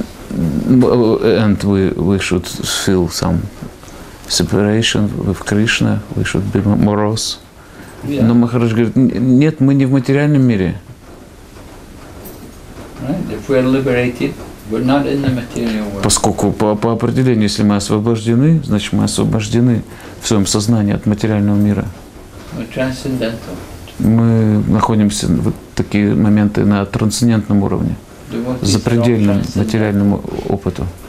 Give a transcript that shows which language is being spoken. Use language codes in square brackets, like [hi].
[en] And we should feel some separation with Krishna. We should be morose. Yeah. [ru] Но Махарадж говорит, нет, мы не в материальном мире. [en] Right? If we're liberated, we're not in the material world. [ru] Поскольку по определению, если мы освобождены, значит мы освобождены в своем сознании от материального мира. [en] We're transcendental. [ru] Мы находимся в такие моменты на трансцендентном уровне, запредельном материальному опыту.